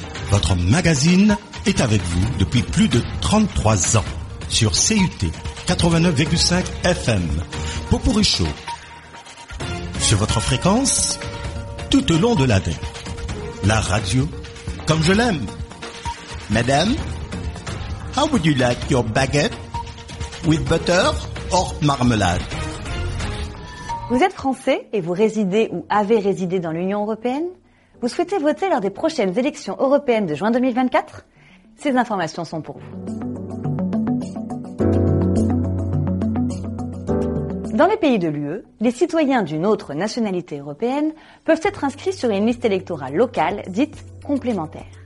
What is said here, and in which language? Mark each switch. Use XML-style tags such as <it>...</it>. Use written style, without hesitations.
<fr>Votre magazine est avec vous depuis plus de 33 ans. Sur CUT 89,5 FM, Popourri Show, sur votre fréquence, tout au long de l'année, la radio, comme je l'aime.</fr> <en>Madame, how would you like your baguette, with butter or marmalade?</en> <fr>Vous êtes français et vous résidez ou avez résidé dans l'Union européenne? Vous souhaitez voter lors des prochaines élections européennes de juin 2024? Ces informations sont pour vous. Dans les pays de l'UE, les citoyens d'une autre nationalité européenne peuvent être inscrits sur une liste électorale locale dite complémentaire.</fr>